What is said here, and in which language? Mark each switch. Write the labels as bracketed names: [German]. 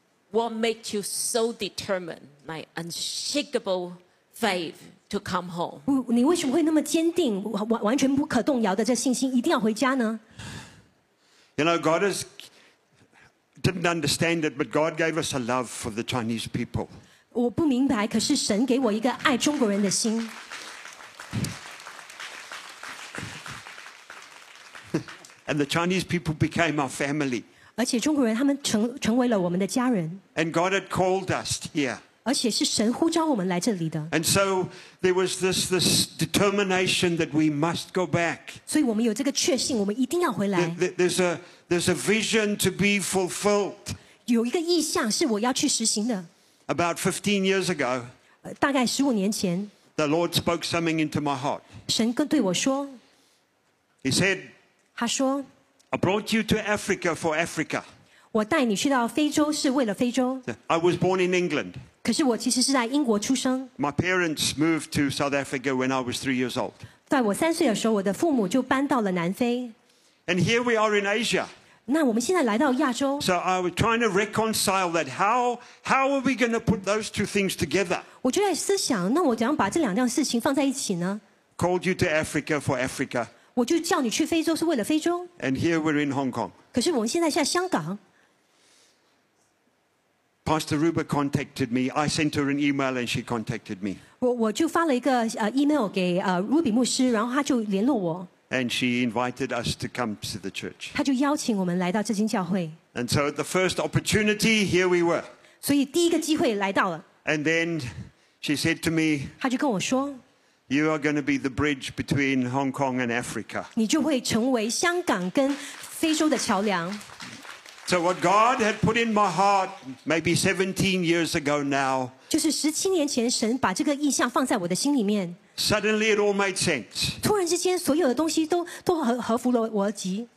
[English] What makes you so determined, my unshakable faith to come home? [Chinese] 你为什么会那么坚定，完全不可动摇的这信心，一定要回家呢？ [English] You know, God is. Didn't understand it, but God gave us a love for the Chinese people. [Chinese] 我不明白，可是神给我一个爱中国人的心。 [English] And the Chinese people became our family. [Chinese] 而且中国人他们成为了我们的家人。 [English] And God had called us here. [Chinese] 而且是神呼召我们来这里的。 [English] And so there was this determination that we must go back. [Chinese] 所以我们有这个确信，我们一定要回来。 [English] There's a vision to be fulfilled. [Chinese] 有一个意向是我要去实行的。 [English] About 15 years ago, [Chinese] 大概十五年前 [English] ，The Lord spoke something into my heart. [Chinese] 神跟对我说 [English] ，He said, [Chinese] 他说 [English] ，I brought you to Africa for Africa. [Chinese] 我带你去到非洲是为了非洲。 [English] I was born in England. [Chinese] 可是我其实是在英国出生。 [English] My parents moved to South Africa when I was 3 years old. [Chinese] 在我三岁的时候，我的父母就搬到了南非。 [English] And here we are in Asia. [Chinese] 那我们现在来到亚洲。 [English] So I was trying to reconcile that. How are we going to put those two things together? [Chinese] 我就在思想，那我怎样把这两件事情放在一起呢？ [English] Called you to Africa for Africa. [Chinese] 我就叫你去非洲是为了非洲。 [English] And here we're in Hong Kong. [Chinese] 可是我们现在在香港。 [English] Pastor Ruba contacted me. I sent her an email and she contacted me. [Chinese] 我就发了一个email 给Ruby 牧师，然后他就联络我。 [English] And she invited us to come to the church. [Chinese] 他就邀请我们来到这间教会。 [English] And so at the first opportunity, here we were. [Chinese] 所以第一个机会来到了。 [English] And then she said to me, [Chinese] 他就跟我说， [English] You are going to be the bridge between Hong Kong and Africa. [Chinese] 你就会成为香港跟非洲的桥梁。 [English] So what God had put in my heart maybe 17 years ago now, [Chinese] 就是17年前神把这个意象放在我的心里面。 [English] Suddenly it all made sense. [Chinese] 突然之间，所有的东西都合符了逻辑。